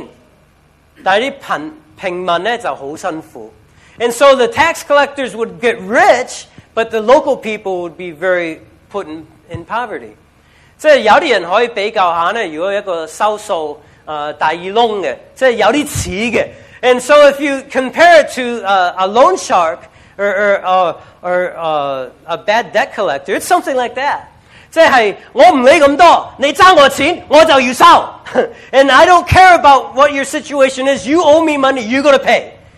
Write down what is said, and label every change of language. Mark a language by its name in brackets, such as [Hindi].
[Chinese] 於是收稅的人是很發達,有多錢,但是貧 平民呢,就很辛苦. [English] And so the tax collectors would get rich, but the local people would be very put in poverty. [Chinese] 即是有些人可以比較一下,如果一個收數大耳窿的,即是有些像的. [English] And so if you compare it to a loan shark or a bad debt collector, it's something like that. [Chinese] 即是,我不理那麼多,你欠我錢,我就要收。 [English] And I don't care about what your situation is. You owe me money, you got to pay.